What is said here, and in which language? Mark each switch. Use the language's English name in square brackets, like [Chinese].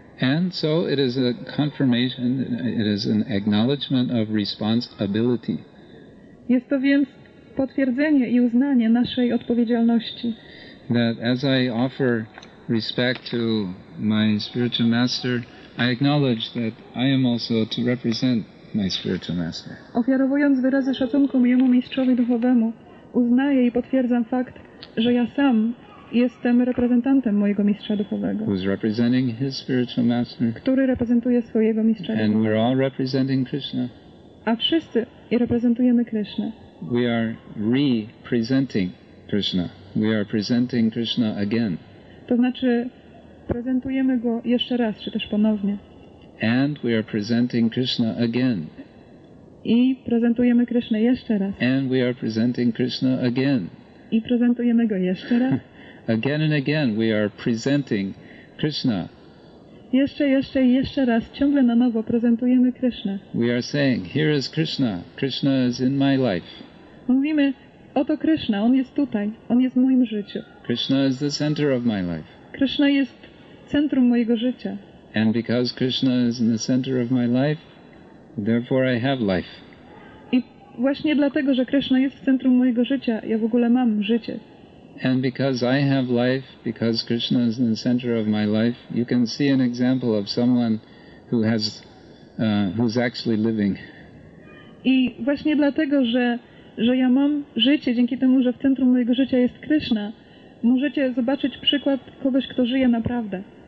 [English] And so it is a confirmation, it is an acknowledgement of responsibility. [Polish] Jest to więc potwierdzenie i uznanie naszej odpowiedzialności. [English] That as I offer respect to my spiritual master, I acknowledge that I am also to represent my spiritual master. [Polish] Ofiarowując wyrazy szacunku mojemu mistrzowi duchowemu, uznaję i potwierdzam fakt, że ja sam jestem reprezentantem mojego mistrza duchowego. [English] Who's representing his spiritual master? [Polish] Który reprezentuje swojego mistrza duchowego. [English] And we're all representing Krishna. [Polish] A wszyscy reprezentujemy Krishna. [English] We are re-presenting Krishna. We are presenting Krishna again. [Polish] To znaczy prezentujemy go jeszcze raz, czy też ponownie. [English] And we are presenting Krishna again. [Polish] I prezentujemy Krishna jeszcze raz. [English] And we are presenting Krishna again. [Polish] I prezentujemy go jeszcze raz. [English] Again and again we are presenting Krishna. [Polish] Jeszcze i jeszcze raz, ciągle na nowo prezentujemy Krishna. [English] We are saying, here is Krishna. Krishna is in my life. [Polish] Mówimy, oto Krishna, on jest tutaj, on jest w moim życiu. [English] Krishna is the center of my life. [Polish] Krishna jest centrum mojego życia. [English] And because Krishna is in the center of my life, therefore I have life. [Polish] I właśnie dlatego, że Krishna jest w centrum mojego życia, ja w ogóle mam życie. [English] And because I have life, because Krishna is in the center of my life, you can see an example of someone who has who's actually living. [Polish] I właśnie dlatego, że ja mam życie, dzięki temu, że w centrum mojego życia jest Krishna, możecie zobaczyć przykład kogoś, kto żyje naprawdę.